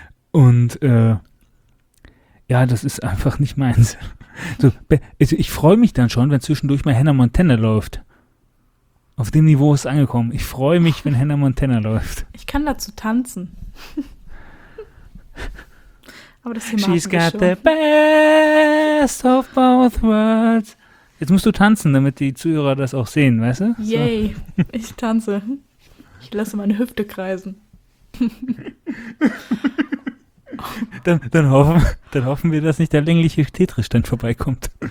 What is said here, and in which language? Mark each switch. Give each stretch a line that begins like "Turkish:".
German: Und ja, das ist einfach nicht meins. So, also ich freue mich dann schon, wenn zwischendurch mal Hannah Montana läuft. Auf dem Niveau ist es angekommen. Ich freue mich, wenn Hannah Montana läuft. Ich kann dazu tanzen. Aber das hier machen wir schon.
English: She's got the best of both worlds.
German: Jetzt musst du tanzen, damit die Zuhörer das auch sehen, weißt du? So. Yay, ich tanze. Ich lasse meine Hüfte kreisen. dann hoffen wir, dass nicht der längliche Tetris dann vorbeikommt.